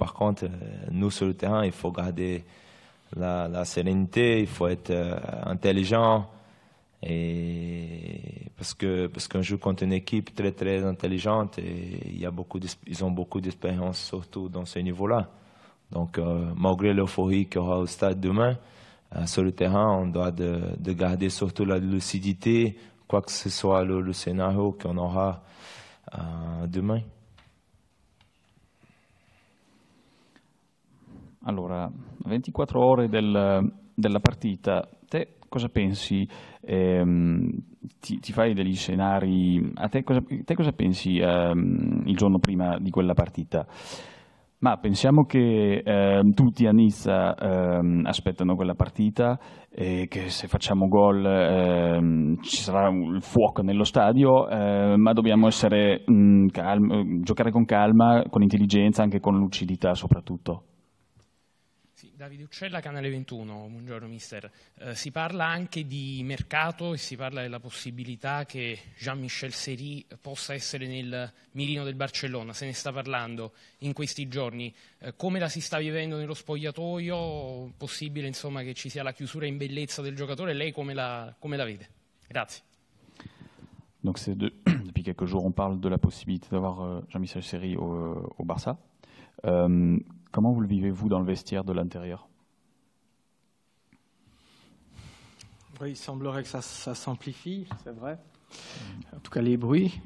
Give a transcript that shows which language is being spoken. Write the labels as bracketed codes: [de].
[fr] Par contre, nous sur le terrain, il faut garder la sérénité, il faut être intelligent, et parce qu'on joue contre une équipe très très intelligente et ils ont beaucoup d'expérience, surtout dans ce niveau-là. Donc malgré l'euphorie qu'il y aura au stade demain, sur le terrain, on doit de garder surtout la lucidité, quoi que ce soit le scénario qu'on aura demain. [it] Allora, 24 ore della partita, te cosa pensi? Ti fai degli scenari? A te cosa pensi il giorno prima di quella partita? Ma pensiamo che tutti a Nizza aspettano quella partita e che se facciamo gol ci sarà il fuoco nello stadio, ma dobbiamo essere giocare con calma, con intelligenza, anche con lucidità soprattutto. Sì, Davide Uccella, Canale 21. Buongiorno mister. Si parla anche di mercato e si parla della possibilità che Jean-Michel Seri possa essere nel mirino del Barcellona. Se ne sta parlando in questi giorni. Come la si sta vivendo nello spogliatoio? Possibile, insomma, che ci sia la chiusura in bellezza del giocatore? Lei come la vede? Grazie. [fr] Donc c'est depuis quelques jours on parle de la possibilité d'avoir Jean-Michel Seri au Barça. Comment vous le vivez-vous dans le vestiaire de l'intérieur? Oui, il semblerait que ça s'amplifie, c'est vrai. En tout cas, les bruits.